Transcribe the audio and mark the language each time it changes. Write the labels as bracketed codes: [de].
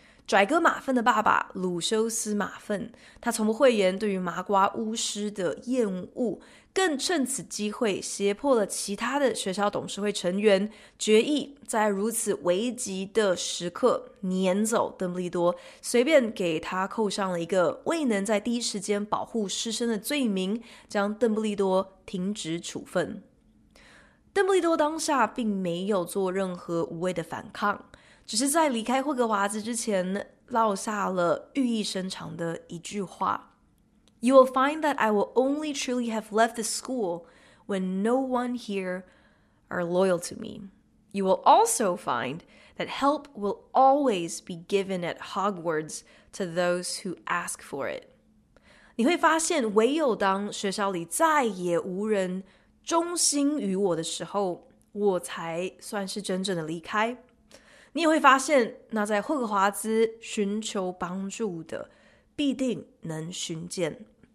[zh] 拽哥马粪的爸爸鲁修斯马粪，他从不讳言对于麻瓜巫师的厌恶，更趁此机会胁迫了其他的学校董事会成员，决意在如此危急的时刻撵走邓布利多，随便给他扣上了一个未能在第一时间保护师生的罪名，将邓布利多停职处分。邓布利多当下并没有做任何无谓的反抗，只是在离开霍格华兹之前落下了寓意深长的一句话。 [en] You will find that I will only truly have left the school when no one here are loyal to me. You will also find that help will always be given at Hogwarts to those who ask for it. [zh] 你会发现唯有当学校里再也无人忠心于我的时候，我才算是真正的离开。你也会发现那在霍格华兹寻求帮助的必定能寻见。